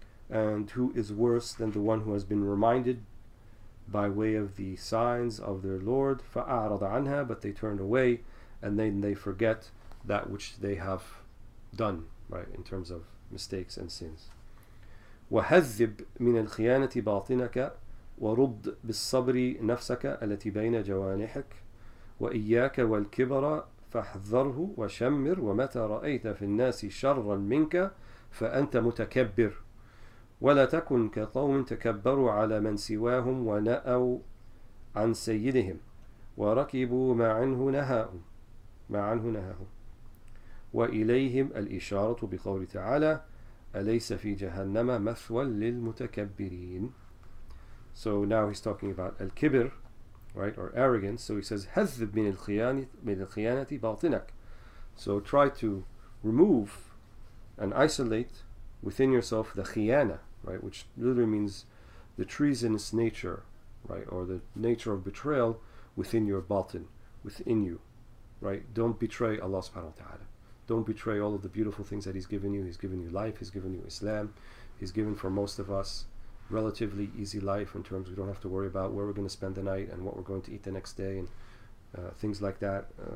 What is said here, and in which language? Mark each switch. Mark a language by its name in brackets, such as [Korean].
[English] And who is worse than the one who has been reminded by way of the signs of their Lord, [Arabic] فَأَعْرَضَ عَنْهَا, [English] but they turned away, and then they forget that which they have done, right, in terms of mistakes and sins. [Arabic] وَهَذِّبْ مِنَ الْخِيَانَةِ بَاطِنَكَ وَرُدْ بِالصَّبْرِ نَفْسَكَ الَّتِي بَيْنَ جَوَانِحِكَ وَإِيَّاكَ وَالْكِبَرَ فَاحْذَرْهُ وَشَمِّرْ وَمَتَى رَأَيْتَ فِي النَّاسِ شَرًّا مِنْكَ فَأَنْتَ مُتَكَبِّرْ ولا تكن كقوم تكبروا على من سواهم ونأوا عن سيدهم وركبوا ما عنه نهاهم وإليهم الإشارة بقول تعالى أليس في جهنم مثوى للمتكبرين. [English] So now he's talking about al-kibr, right, or arrogance. So he says [Arabic] هذب من الخيانة باطنك. [English] So try to remove and isolate within yourself the khiyana, right, which literally means the treasonous nature, right, or the nature of betrayal within your batin, within you, right? Don't betray Allah subhanahu wa ta'ala. Don't betray all of the beautiful things that He's given you. He's given you life, He's given you Islam, He's given for most of us relatively easy life in terms we don't have to worry about where we're going to spend the night and what we're going to eat the next day and things like that.